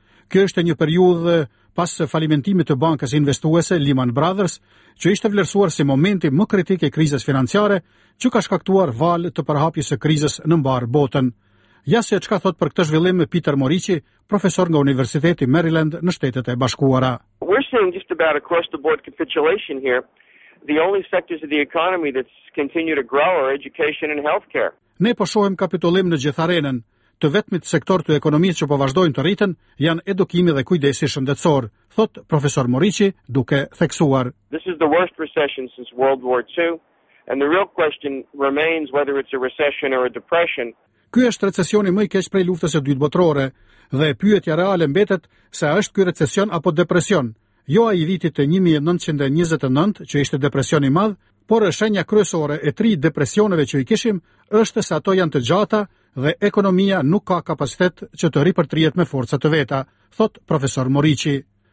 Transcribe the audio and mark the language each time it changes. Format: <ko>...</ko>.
<sq>Kjo është një periudhë pas falimentimit të bankës investuese Lehman Brothers, që ishte vlerësuar si momenti më kritik i krizës financiare që ka shkaktuar val të përhapjes së krizës në mbar botën. Ja se çka thot për këtë zhvillim Peter Morici, profesor nga Universiteti Maryland në Shtetet e Bashkuara.</sq> <en>We're seeing just about across the board capitulation here. The only sectors of the economy that's continue to grow are education and healthcare.</en> <sq>Ne po shohim kapitullim në gjithë arenën. Të vetmit sektor të ekonomisë që po vazhdojnë të rriten janë edukimi dhe kujdesi shëndetësor, thot profesor Morici duke theksuar.</sq> <en>This is the worst recession since World War II, and the real question remains whether it's a recession or a depression.</en> <sq>Ky është recesioni më i keq prej luftës së dytë botërore dhe pyetja reale mbetet se a është ky recesion apo depresion. Jo ai vitit të 1929 që ishte depresion i madh, por shenja kryesore e tri depresioneve që i kishim është se ato janë të gjata dhe ekonomia nuk ka kapacitet që të ripërtrihet me forca të veta, thot profesor Morici.</sq>